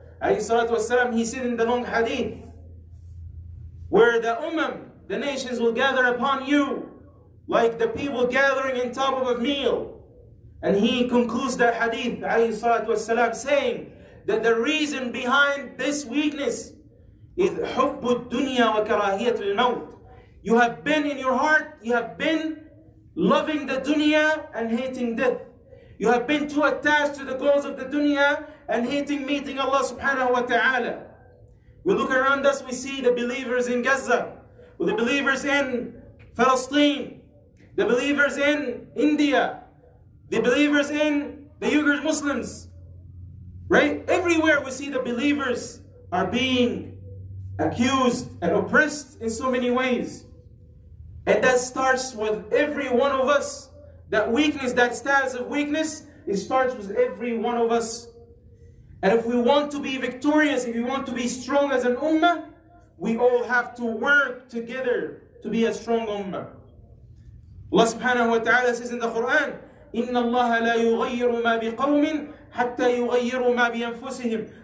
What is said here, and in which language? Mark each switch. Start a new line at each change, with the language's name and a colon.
English: Alayhi salatu wasalam, he said in the long hadith, where the ummah, the nations will gather upon you like the people gathering on top of a meal. And he concludes that hadith, alayhi salatu wasalam, saying that the reason behind this weakness is
Arabic: حب الدنيا وكراهية الموت.
English: You have been in your heart, you have been loving the dunya and hating death. You have been too attached to the goals of the dunya and hating meeting Allah subhanahu wa ta'ala. We look around us, we see the believers in Gaza, or the believers in Palestine, the believers in India, the believers in the Uyghur Muslims. Right? Everywhere we see the believers are being accused and oppressed in so many ways. And that starts with every one of us. That weakness, that status of weakness, it starts with every one of us. And if we want to be victorious, if we want to be strong as an ummah, we all have to work together to be a strong ummah. Allah subhanahu wa ta'ala says in the Quran,
Arabic: إِنَّ اللَّهَ لَا يُغَيِّرُ مَا بِقَوْمٍ حَتَّى يُغَيِّرُ مَا بِأَنفُسِهِمْ.